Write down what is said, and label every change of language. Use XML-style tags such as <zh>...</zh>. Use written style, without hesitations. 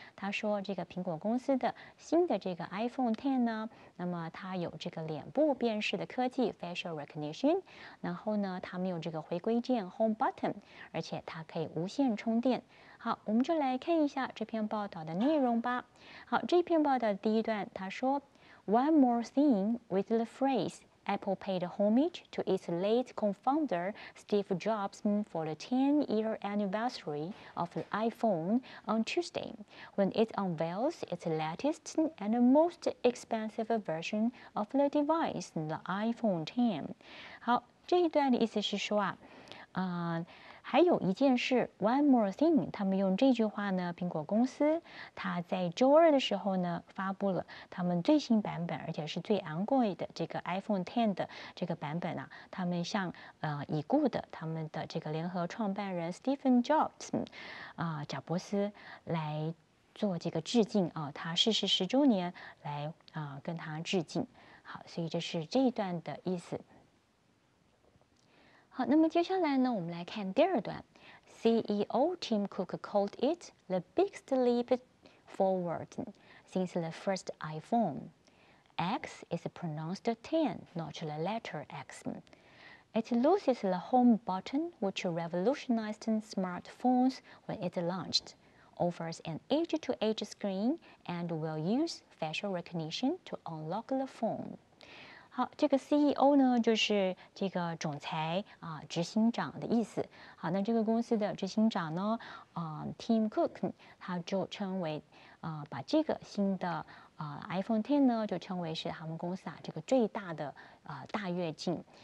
<zh>他说这个苹果公司的新的这个 iPhone X 呢，那么它有这个脸部辨识的科技</zh> <en>facial recognition，</en> <zh>然后呢它没有这个回归键</zh> <en>home button，</en> <zh>而且它可以无线充电。好，我们就来看一下这篇报道的内容吧。好，这篇报道的第一段，他说</zh> <en>One more thing with the phraseApple paid homage to its late co-founder Steve Jobs for the 10-year anniversary of the iPhone on Tuesday, when it unveils its latest and most expensive version of the device, the iPhone X.</en> <zh>好，这一段的意思是说啊，还有一件事 ，</zh> <en>one more thing，</en> <zh>他们用这句话呢，苹果公司他在周二的时候呢，发布了他们最新版本，而且是最昂贵的这个 iPhone X 的这个版本啊，他们向已故的他们的这个联合创办人 Stephen Jobs， 贾伯斯来做这个致敬啊，他逝世十周年来跟他致敬。好，所以这是这一段的意思。好，那么接下来呢，我们来看第二段。</zh> <en>CEO Tim Cook called it the biggest leap forward since the first iPhone. X is pronounced 10, not the letter X. It loses the home button, which revolutionized smartphones when it launched, offers an edge-to-edge screen, and will use facial recognition to unlock the phone.</en> <zh>好，这个 CEO 呢，就是这个总裁啊，执行长的意思。好，那这个公司的执行长呢，Tim Cook， 他就称为把这个新的iPhone X 呢，就称为是他们公司啊这个最大的大跃进。</zh>